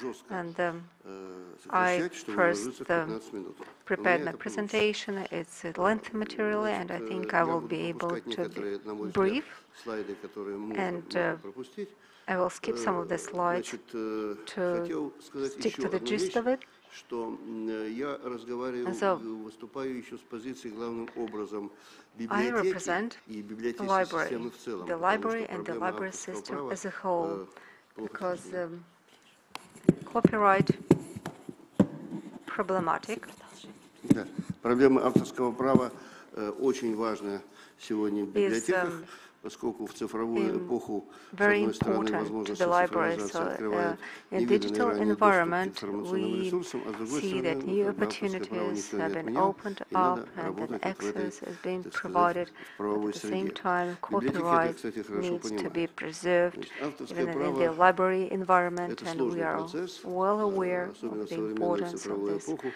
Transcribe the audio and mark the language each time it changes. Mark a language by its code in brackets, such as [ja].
[en] And I first prepared my presentation. It's lengthy material, and I think I will be able to be brief. And I will skip some of the slides to stick to the gist of it. [ru] Что я разговариваю, выступаю еще с позиции главным образом библиотеки и библиотечной системы в целом. [en] The library and the library system as a whole, because copyright problematic. [ru] Да, проблема авторского права очень важна сегодня в библиотеках. Поскольку в цифровую эпоху, с одной стороны, возможности цифровизации открывают невиданные ранее доступ к информационным ресурсам, а с другой стороны, [en] that new opportunities have been opened up and that access has been provided. At the same time, copyright needs to be preserved even in the library environment, and we are well aware of the importance of this.